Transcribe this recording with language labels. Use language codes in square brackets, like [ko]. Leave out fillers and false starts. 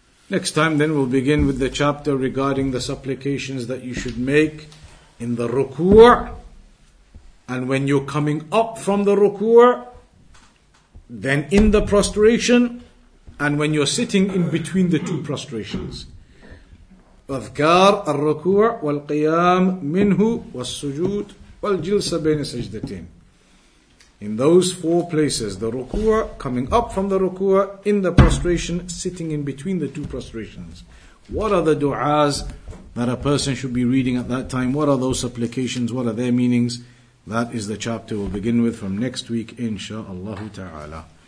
[en] Next time then we'll begin with the chapter regarding the supplications that you should make in the ruku' and when you're coming up from the ruku', then in the prostration, and when you're sitting in between the two prostrations. [ar] أذكار الركوع والقيام منه والسجود والجلسة بين السجدتين. [en] In those four places, the ruku'a, coming up from the ruku'a, in the prostration, sitting in between the two prostrations. What are the du'as that a person should be reading at that time? What are those supplications? What are their meanings? That is the chapter we'll begin with from next week, insha'Allah ta'ala.